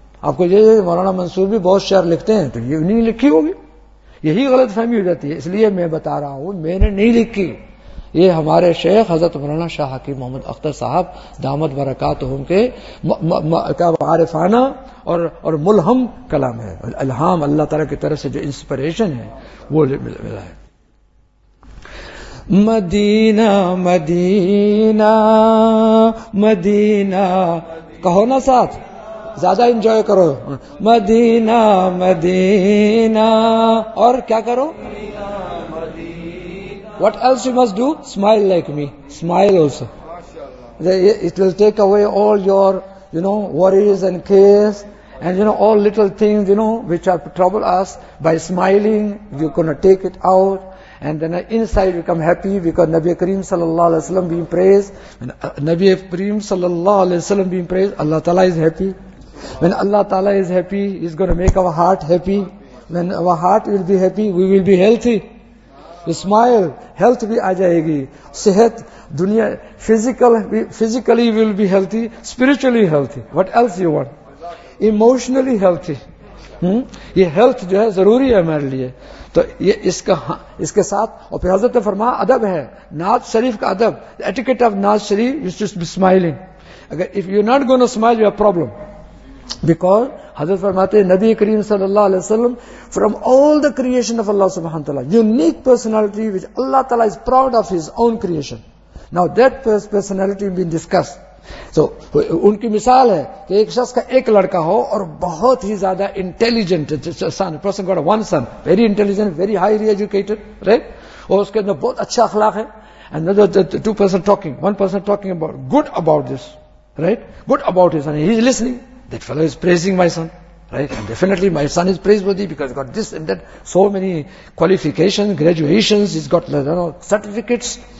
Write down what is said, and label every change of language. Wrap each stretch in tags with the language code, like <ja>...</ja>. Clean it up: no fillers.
<ur>آپ کو یہ مولانا منصور بھی بہت شعر لکھتے ہیں تو یہ نہیں لکھی ہوگی، یہی غلط فہمی ہو جاتی ہے. اس لیے میں بتا رہا ہوں میں نے نہیں لکھی، یہ ہمارے شیخ حضرت مولانا شاہ حکیم محمد اختر صاحب دامت برکاتہم کے عارفانہ اور ملہم کلام ہے، الہام اللہ تعالی کی طرف سے جو انسپریشن ہے وہ ملا ہے. مدینہ مدینہ مدینہ کہو نا ساتھ، زیادہ انجوائے کرو. مدینہ مدینہ اور کیا کرو،</ur> <en>what else you must do, smile like me, smile also, it will take away all your you know worries and cares and you know all little things you know which are trouble us, by smiling you're going to take it out and then inside become happy, because Nabi Kareem sallallahu alaihi wasallam being praised, when Nabi Kareem sallallahu alaihi wasallam being praised, Allah Ta'ala is happy. When Allah Ta'ala is happy, he's going to make our heart happy. When our heart will be happy, we will be healthy. You smile, health</en> <ur>bhi aajayegi, sehat duniya</ur> <en>physically will be healthy, spiritually healthy, what else you want, emotionally healthy.</en> <ur>یہ health جو ہے ضروری ہے ہمارے لیے. تو یہ اس کے ساتھ اور پھر حضرت نے فرمایا ادب ہے نعت شریف کا ادب,</ur> <en>etiquette of</en> <ur>نعت شریف is just be smiling.</ur> <en>اگر if you're not going to smile you have problem, because</en> <ur>حضرت فرماتے ہیں</ur> <en>نبی کریم صلی اللہ علیہ وسلم from all the creation of Allah سبحانہ وتعالی unique personality which Allah تعالی is proud of his own creation. Now that personality been discussed.</en> <ur>So ان کی مثال ہے کہ ایک شخص کا ایک لڑکا ہو اور بہت ہی زیادہ intelligent</ur> <en>son, person got a one son, very intelligent, very highly educated, right?</en> <ur>اور اس کے اندر بہت اچھا اخلاق ہے.</ur> <en>Another two person talking, one person talking about good about this, right? Good about his son, he is listening. That fellow is praising my son, right? And definitely my son is praiseworthy because he got this and that, so many qualifications, graduations, he's got you know, certificates.</en>